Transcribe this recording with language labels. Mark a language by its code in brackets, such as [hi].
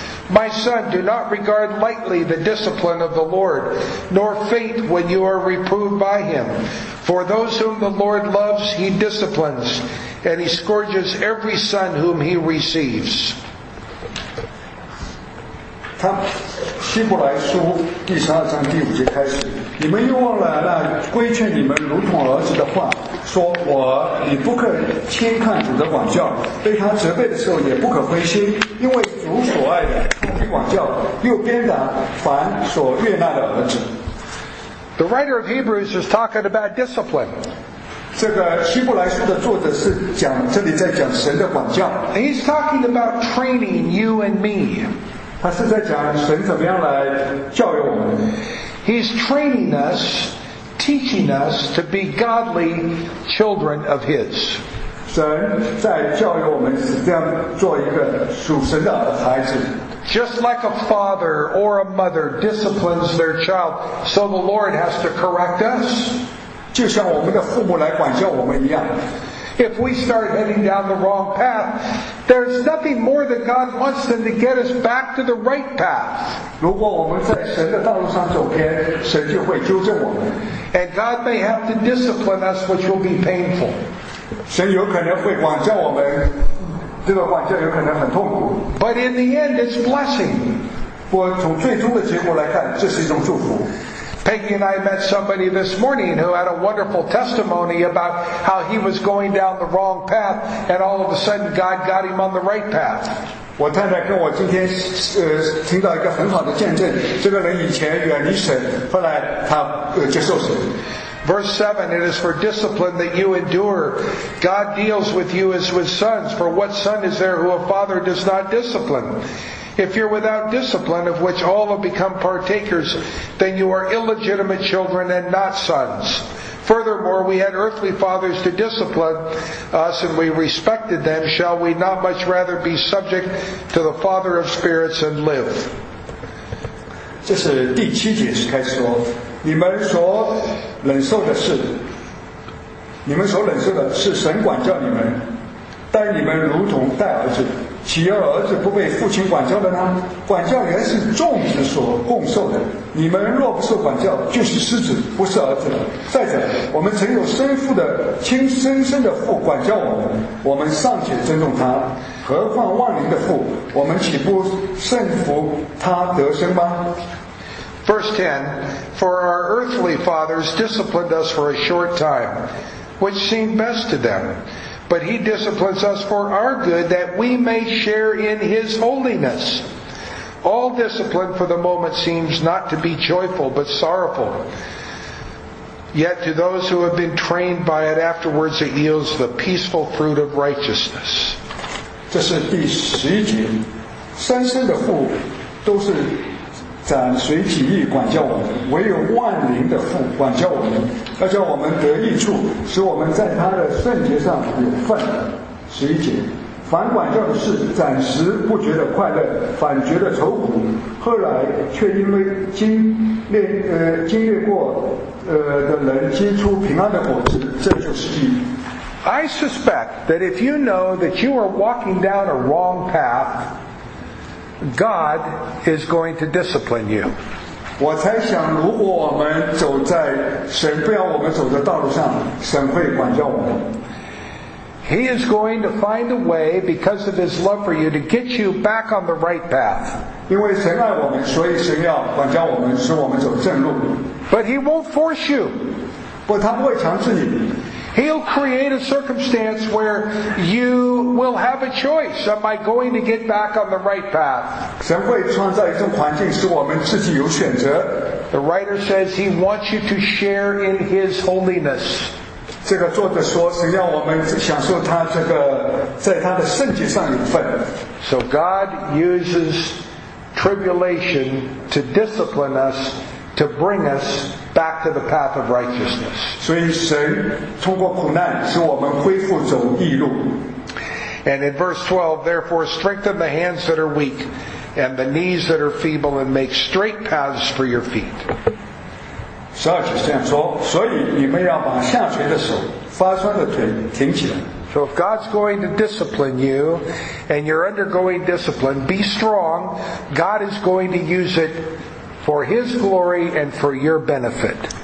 [en] My son, do not regard lightly the discipline of the Lord, nor faint when you are reproved by him. For those whom the Lord loves, he disciplines, and he scourges every son whom he receives. [zh] 希伯来书第十二章第五节开始，你们又忘了那规劝你们如同儿子的话，说我你不可轻看主的管教，被他责备的时候也不可灰心，因为主所爱的必管教，又鞭打凡所悦纳的儿子。 [en] The writer of Hebrews is talking about discipline. [zh] 这个希伯来书的作者是讲这里在讲神的管教。 [en] He's talking about training you and me. [zh] 他是在讲神怎么样来教育我们。 [en] He's training us, teaching us to be godly children of His. [zh] 神在教育我们是这样做一个属神的孩子。 [en] Just like a father or a mother disciplines their child, so the Lord has to correct us. [zh] 就像我们的父母来管教我们一样。 [en] If we start heading down the wrong path, There's nothing more that God wants than to get us back to the right path. [zh] 如果我们在神的道路上走偏，神就会纠正我们。 [en] And God may have to discipline us, which will be painful. [zh] 神有可能会管教我们，这个管教有可能很痛苦。 [en] But in the end, it's blessing. [zh] 我从最终的结果来看，这是一种祝福。 [en] Peggy and I met somebody this morning who had a wonderful testimony about how he was going down the wrong path and all of a sudden God got him on the right path. [zh] 我太太跟我今天听到一个很好的见证，这个人以前远离神，后来他接受神。 [en] Verse 7, it is for discipline that you endure. God deals with you as with sons, for what son is there who a father does not discipline? If you're without discipline, of which all have become partakers, then you are illegitimate children and not sons. Furthermore, we had earthly fathers to discipline us, and we respected them. Shall we not much rather be subject to the Father of spirits and live? [zh] 这是第七节开始说，你们所忍受的是，你们所忍受的是神管教你们，待你们如同待儿子。岂有儿子不被父亲管教的呢？管教原是众子所共受的。你们若不受管教，就是失子，不是儿子了。再者，我们曾有生父的亲生生的父管教我们，我们尚且尊重他，何况万灵的父？我们岂不顺服他得生吗？ [en] Verse 10, for our earthly fathers disciplined us for a short time, which seemed best to them. But he disciplines us for our good, that we may share in his holiness. All discipline for the moment seems not to be joyful, but sorrowful. Yet to those who have been trained by it, afterwards it yields the peaceful fruit of righteousness. [zh] 这是第十一节，三生的父都是暂随己意管教我们，唯有万灵的父管教我们，要叫我们得益处，使我们在他的圣洁上有份。十一节，凡管教的事，暂时不觉得快乐，反觉得愁苦，后来却因为经历过的人结出平安的果子，这就是义。 [en] I suspect that if you know that you are walking down a wrong path. God is going to discipline you. [zh] 我猜想，如果我们走在神不要我们走的道路上，神会管教我们。 [en] He is going to find a way because of his love for you to get you back on the right path. [zh] 因为神爱我们，所以神要管教我们，使我们走正路。 [en] But he won't force you. [zh] 不，他不会强制你。 [en] He'll create a circumstance where you will have a choice. Am I going to get back on the right path? [zh] 神会创造一种环境使我们自己有选择。 [en] The writer says he wants you to share in his holiness. [zh] 这个作者说神要我们享受他这个在他的圣洁上有份。 [en] So God uses tribulation to discipline us, to bring us. Back to the path of righteousness. [zh] 所以神通过苦难使我们恢复走义路。 [en] And in verse 12, therefore strengthen the hands that are weak and the knees that are feeble and make straight paths for your feet. [zh] 十二节这样说，所以你们要把下垂的手、发酸的腿挺起来。 [en] So if God's going to discipline you and you're undergoing discipline, be strong. God is going to use itFor his glory and for your benefit.